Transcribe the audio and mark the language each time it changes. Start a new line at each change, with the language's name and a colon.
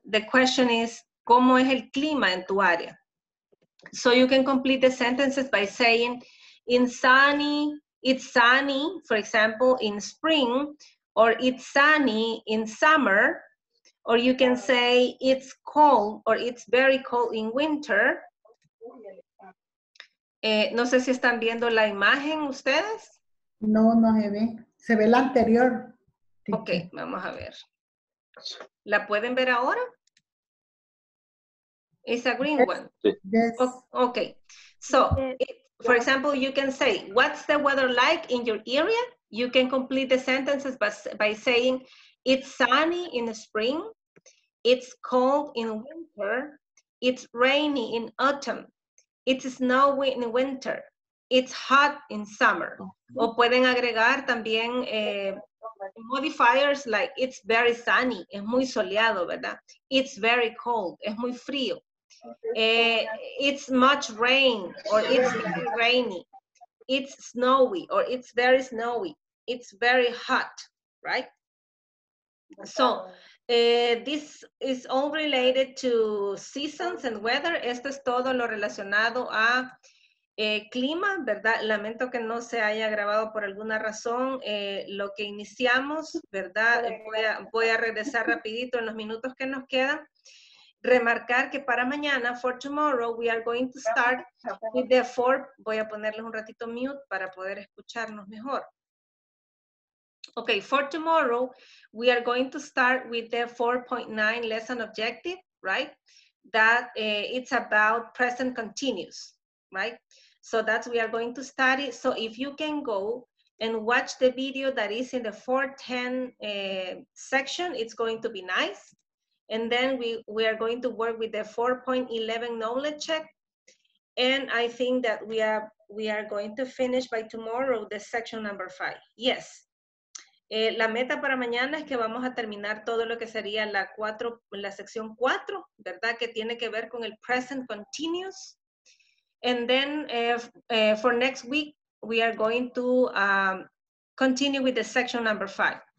English: The question is,
Spanish: ¿cómo es el clima en tu área?
English: So you can complete the sentences by saying, it's sunny, for example, in spring, or it's sunny in summer, or you can say it's cold or it's very cold in winter.
Spanish: No sé si están viendo la imagen ustedes. No, no se ve. Se ve la anterior. Ok, vamos a ver. ¿La pueden ver ahora?
English: It's a green one. Yes. Ok. So, for example, you can say, what's the weather like in your area? You can complete the sentences by saying, it's sunny in the spring. It's cold in winter. It's rainy in autumn. It's snowy in winter. It's hot in summer.
Spanish: O pueden agregar también modifiers
English: like it's very sunny,
Spanish: es muy soleado, ¿verdad?
English: It's very cold,
Spanish: es muy frío.
English: It's much rain or it's very rainy. It's snowy or it's very snowy. It's very hot, right? So, this is all related to seasons and weather.
Spanish: Esto es todo lo relacionado a clima, ¿verdad? Lamento que no se haya grabado por alguna razón. Lo que iniciamos, ¿verdad? Voy a regresar rapidito en los minutos que nos quedan. Remarcar que para mañana,
English: for tomorrow, we are going to start with the four.
Spanish: Voy a ponerles un ratito mute para poder escucharnos mejor.
English: Okay, for tomorrow, we are going to start with the 4.9 lesson objective, right? That it's about present continuous, right? So that's we are going to study. So if you can go and watch the video that is in the 4.10 section, it's going to be nice. And then we are going to work with the 4.11 knowledge check. And I think that we are going to finish by tomorrow the section number 5. Yes.
Spanish: La meta para mañana es que vamos a terminar todo lo que sería la sección 4, ¿verdad? Que tiene que ver con el present continuous.
English: And then for next week, we are going to continue with the section number 5.